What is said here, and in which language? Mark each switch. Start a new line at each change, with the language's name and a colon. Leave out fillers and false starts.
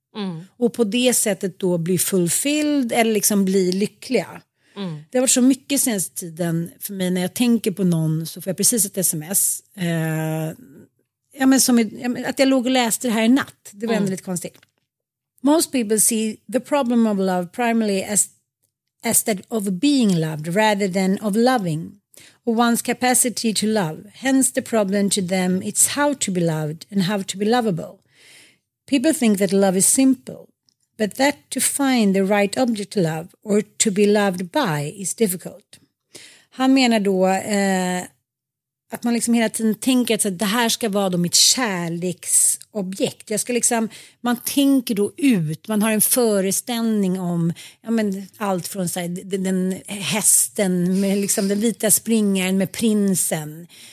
Swedish: Mm. Och på det sättet då bli fulfilled eller liksom bli lyckliga. Mm. Det har varit så mycket senaste tiden för mig när jag tänker på någon, så får jag precis ett sms. Ja, men som, ja, men att jag låg och läste det här i natt, det var ändå lite konstigt.
English: Most people see the problem of love primarily as that of being loved rather than of loving, or one's capacity to love. Hence the problem to them, it's how to be loved and how to be lovable. People think that love is simple, but that to find the right object to love or to be loved by is difficult.
Swedish: Han menar då att man liksom hela tiden tänker att det här ska vara då mitt kärleksobjekt. Jag ska liksom, man tänker då ut, man har en föreställning om, ja, men allt från så här, den hästen med liksom den vita springaren med prinsen.